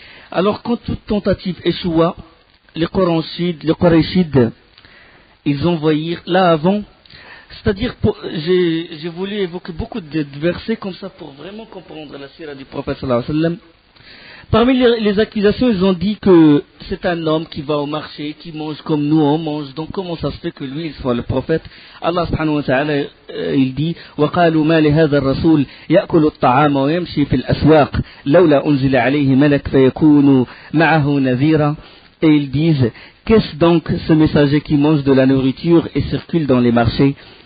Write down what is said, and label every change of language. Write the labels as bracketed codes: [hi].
[fr] Alors, quand toute tentative échoua, les Quraïchides, ils envoyèrent là avant. C'est-à-dire, j'ai voulu évoquer beaucoup de versets comme ça pour vraiment comprendre la sirah du prophète sallallahu alayhi wa sallam. Parmi les accusations, ils ont dit que c'est un homme qui va au marché, qui mange comme nous on mange. Donc comment ça se fait que lui, il soit le prophète? Allah subhanahu wa ta'ala, il dit [ar] وَقَالُوا مَا لِهَذَا الرَّسُولِ يَأْكُلُ الطَّعَامَ وَيَمْشِي فِي الْأَسْوَاقِ لَوْلَا أُنْزِلَ عَلَيْهِ مَلَكٌ فَيَكُونُ مَعَهُ نَذِيرًا. [fr] Et ils disent, qu'est-ce donc ce messager qui mange de la nourriture et circule dans les marchés?